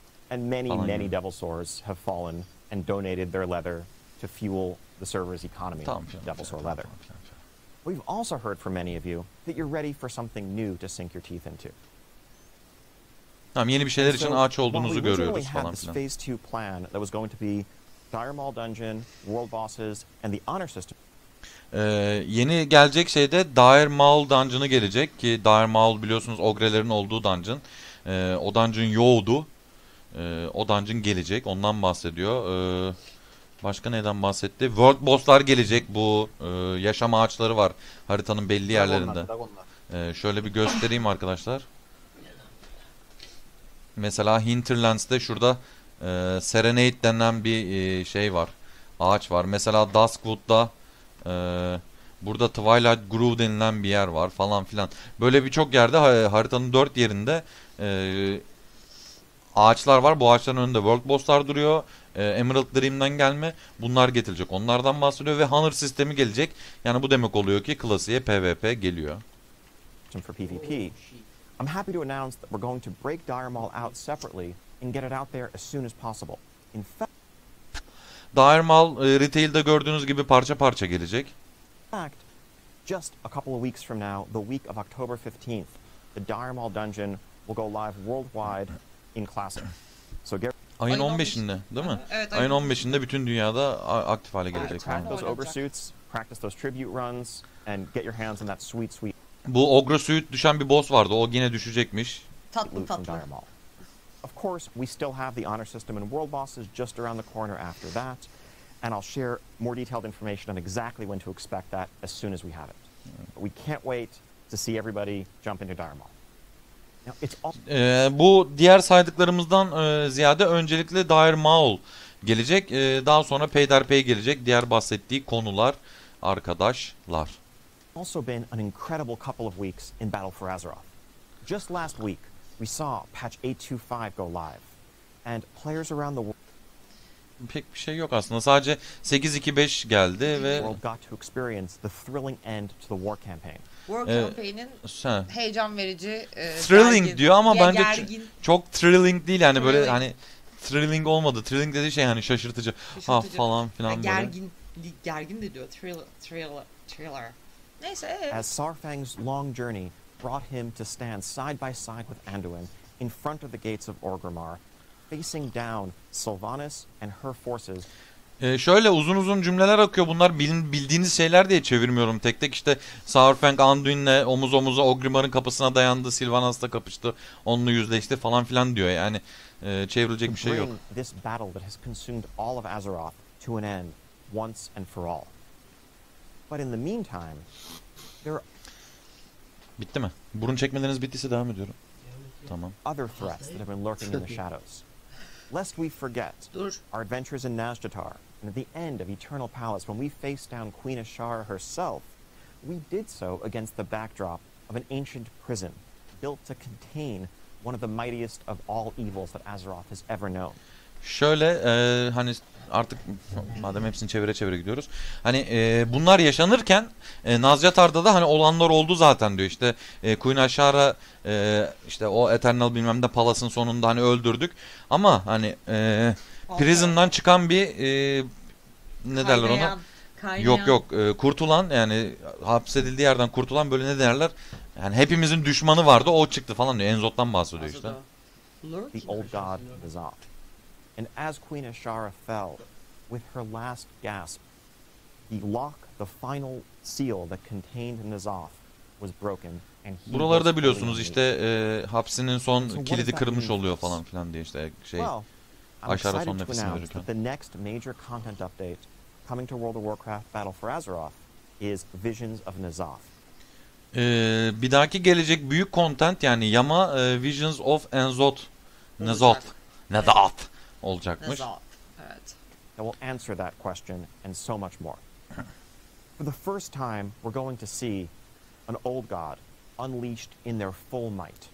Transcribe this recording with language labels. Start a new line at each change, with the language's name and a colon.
English: And many devil sores have fallen and donated their leather to fuel the server's economy.
Turkish: Tamam,
English: devil sore leather. We've also heard from many of you that you're ready for something new to sink your teeth into.
Turkish: Tamam, yeni bir şeyler için ağaç olduğunuzu görüyoruz falan filan.
English: Phase 2 plan that was going to be Diremaul dungeon, world bosses and the honor system.
Turkish: Yeni gelecek şey de Dire Maul Dungeon'ı gelecek ki Dire Maul biliyorsunuz ogrelerin olduğu dungeon. O dungeon yoğdu. O dungeon gelecek, ondan bahsediyor. Başka neden bahsetti? World Boss'lar gelecek bu. Yaşam ağaçları var haritanın belli yerlerinde. Şöyle bir göstereyim arkadaşlar. Mesela Hinterlands'te şurada Serenade denen bir şey var. Ağaç var. Mesela Duskwood'da burada Twilight Grove denilen bir yer var falan filan. Böyle birçok yerde haritanın dört yerinde ağaçlar var. Bu ağaçların önünde World Boss'lar duruyor. Emerald Dream'den gelme bunlar getirecek. Onlardan bahsediyor ve Honor sistemi gelecek. Yani bu demek oluyor ki klasiğe PvP geliyor.
English: For PvP. I'm happy to announce that we're going to break Dire Maul out separately and get it out there as soon as possible. In fact,
Turkish: Dire Maul retail'de gördüğünüz gibi parça parça gelecek.
English: Just a couple of weeks from now, the week of October 15th, the Dire Maul dungeon will go live worldwide in Classic.
Turkish: So ayın 15'inde, değil mi? Evet, ayın 15'inde bütün dünyada aktif hale gelecek.
English: Those ogre suits, practice those tribute runs and get your hands on that sweet sweet.
Turkish: Bu ogre suit düşen bir boss vardı. O yine düşecekmiş. Tatlı tatlı.
English: Of course, we still have the honor system and world bosses just around the corner after that, and I'll share more detailed information on exactly when to expect that as soon as we have it. But we can't wait to see everybody jump into Dire Maul. Now, it's all...
Turkish: bu diğer saydıklarımızdan ziyade öncelikle Dire Maul gelecek, daha sonra peyderpey gelecek diğer bahsettiği konular arkadaşlar.
English: Also been an incredible couple of weeks in Battle for Azeroth. Just last week we saw patch 825 go live and players around the world.
Turkish: Pek bir şey yok aslında. Sadece 825 geldi ve
English: world got to experience the thrilling end to the war campaign.
Turkish: War campaign'in heyecan verici thrilling gergin, diyor ama bence çok thrilling değil yani thrilling. Böyle hani thrilling olmadı. Thrilling dediği şey hani şaşırtıcı. Ha falan filan böyle. Gergin de diyor thriller. Neyse.
English: As Sarfang's long journey brought him to stand side by side with Anduin in front of the gates of Orgrimmar, facing down Sylvanas and her forces.
Turkish: Şöyle uzun uzun cümleler akıyor bunlar, bildiğiniz şeyler diye çevirmiyorum tek tek. İşte Saurfang Anduin'le omuz omuza Orgrimmar'ın kapısına dayandı, Sylvanas'la kapıştı, onunla yüzleşti falan filan diyor. Yani çevrilecek bir şey yok.
English: This battle that has consumed all of Azeroth to an end once and for all. But in the meantime, there are
Turkish: bitti mi? Burun çekmeleriniz bittiyse devam ediyorum. Tamam.
English: Other threats that have been lurking in the shadows. Lest we forget our adventures in Nazjatar and at the end of Eternal Palace when we faced down Queen Ashara herself, we did so against the backdrop of an ancient prison built to contain one of the mightiest of all evils that Azeroth has ever known.
Turkish: Şöyle hani artık madem hepsini çevire çevire gidiyoruz. Hani bunlar yaşanırken Nazjatar'da da hani olanlar oldu zaten diyor. İşte Queen Ashara işte o Eternal bilmem ne Palace'ın sonunda hani öldürdük. Ama hani prison'dan çıkan bir ne derler ona? Yok Kaynayan. yok, kurtulan yani hapsedildiği yerden kurtulan böyle ne derler? Yani hepimizin düşmanı vardı, o çıktı falan diyor. Enzo'dan bahsediyor Nasıl işte. da? Lurk
English: The old god Azoth. And as Queen Ashara fell, with her last gasp, the lock, the final seal that contained Azoth was broken.
Turkish: Buraları da biliyorsunuz işte, hapsinin son kilidi kırılmış oluyor falan filan diye işte şey Aşara son nefesini verirken.
English: The next major content update coming to World of Warcraft Battle for Azeroth is Visions of N'Zoth.
Turkish: Bir dahaki gelecek büyük content yani yama Visions of N'Zoth N'Zoth N'Zoth olacakmış. N'Zoth.
English: I will answer that question and so much more. For the first time we're going to see an old god unleashed in their full might.